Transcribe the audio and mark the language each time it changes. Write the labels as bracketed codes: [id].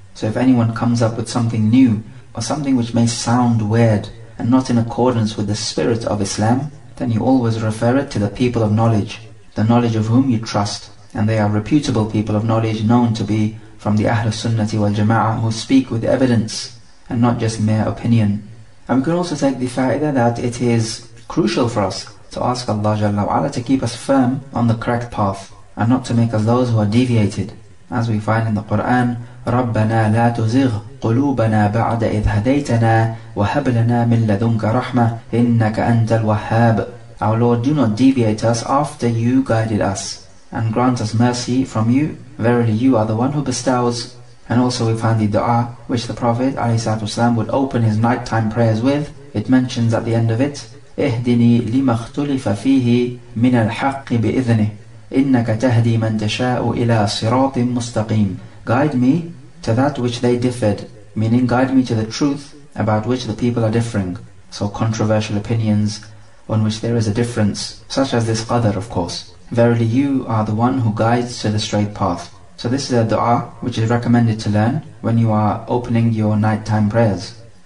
[en] So if anyone comes up with something new or something which may sound weird and not in accordance with the spirit of Islam, then you always refer it to the people of knowledge, the knowledge of whom you trust, and they are reputable people of knowledge known to be from the Ahlul Sunnati wal Jama'ah, who speak with evidence and not just mere opinion. And we can also take the fa'idah that it is crucial for us to ask Allah Jalla wa Ala to keep us firm on the correct path and not to make us those who are deviated. As we find in the Qur'an, [ar] رَبَّنَا لَا تُزِغْ قُلُوبَنَا بَعْدَ إِذْ هَدَيْتَنَا وَهَبْ لَنَا مِنْ لَدُنْكَ رَحْمَةٍ إِنَّكَ أَنْتَ الْوَهَّابِ. [en] Our Lord, do not deviate us after you guided us and grant us mercy from you. Verily you are the one who bestows. And also we find the dua which the Prophet ﷺ would open his nighttime prayers with. It mentions at the end of it, [ar] اهدني لما اختلف فيه من الحق بإذنه إنك تهدي من تشاء إلى صراط مستقيم. [en] Guide me to that which they differed, meaning guide me to the truth about which the people are differing. So controversial opinions on which there is a difference, such as this Qadr of course. Verily you are the one who guides to the straight path. So this is a dua which is recommended to learn when you are opening your nighttime prayers.